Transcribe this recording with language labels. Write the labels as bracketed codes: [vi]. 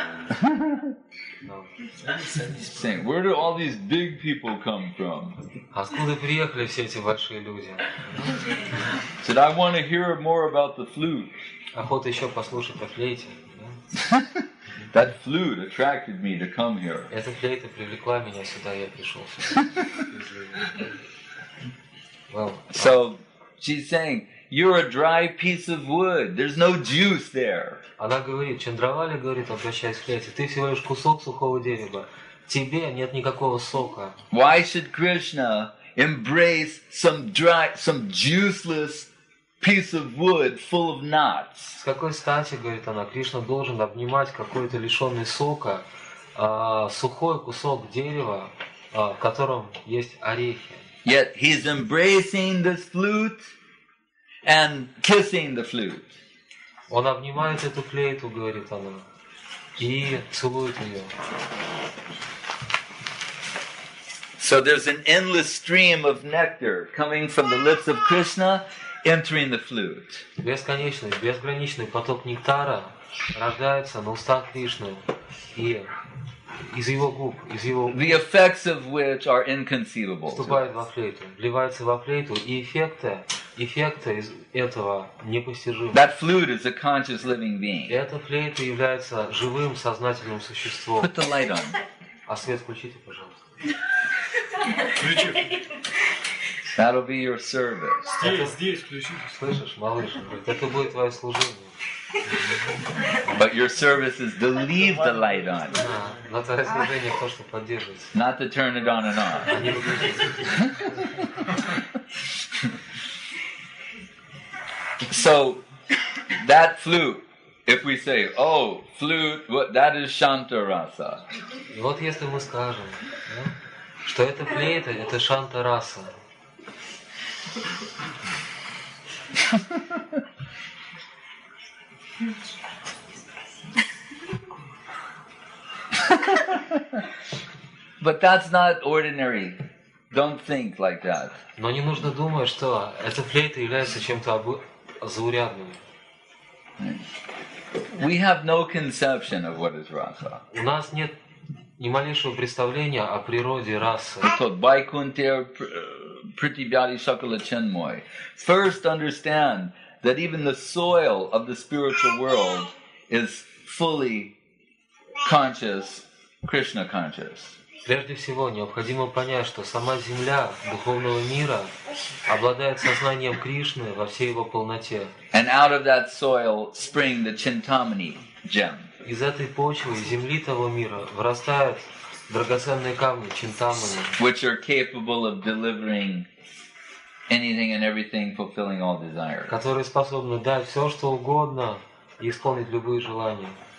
[en] Saying, where do all these big people come from? [ru] Откуда приехали все эти большие люди? [en] Said, I want to hear more about the flute. [ru] Охота еще послушать о флейте. [en] That flute attracted me to come here. [ru] Эта флейта привлекла меня сюда, я пришел сюда. [en] Well, so she's saying, you're a dry piece of wood. There's no juice there. [ru] Она говорит, Чандравали говорит, обращаясь к флейте, ты всего лишь кусок сухого дерева. Тебе нет никакого сока. [en] Why should Krishna embrace some dry, some juiceless piece of wood full of knots? [ru] С какой стати, говорит она, Кришна должен обнимать какой-то лишенный сока сухой кусок дерева, в котором есть орехи? [en] Yet he's embracing this flute and kissing the flute. [ru] Он обнимает эту флейту, говорит она, и целует ее. [en] So there's an endless stream of nectar coming from the lips of Krishna entering the flute. [ru] Бесконечный, безграничный поток нектара рождается на устах Кришны и из его губ, из его [en] The effects of which are inconceivable. [ru] Вступает во флейту, вливается во флейту, и эффекты из этого непостижимы. [en] That flute is a conscious living being. [ru] Эта флейта является живым сознательным существом. [en] Put the light on. [ru] А свет включите, пожалуйста. [en] That'll be your service. [ru] Слышишь, малыш, это будет твое служение. [en] But your service is to leave the light on. [ru] Но твое служение то, что поддерживается. [en] Not to turn it on and off. So that flute, if we say, oh, flute, what, that is Shantarasa. [ru] Вот если мы скажем, что это флейта, это Шантараса. [en] But that's not ordinary. Don't think like that. [ru] Но не нужно думать, что эта флейта является чем-то заурядным. [en] We have no conception of what is rasa. [ru] У нас нет ни малейшего представления о природе расы. [en] So, [bn] Vaikunthe Prithivyadi Sakala Chinmoy. [en] First understand that even the soil of the spiritual world is fully conscious, Krishna conscious. [ru] Прежде всего, необходимо понять, что сама земля духовного мира обладает сознанием Кришны во всей его полноте. [en] And out of that soil spring the Chintamani gem. [ru] Из этой почвы, из земли того мира, вырастают драгоценные камни, чинтамани. [en] Which are capable of delivering anything and everything, fulfilling all desires. [ru] Которые способны дать все, что угодно, и исполнить любые желания.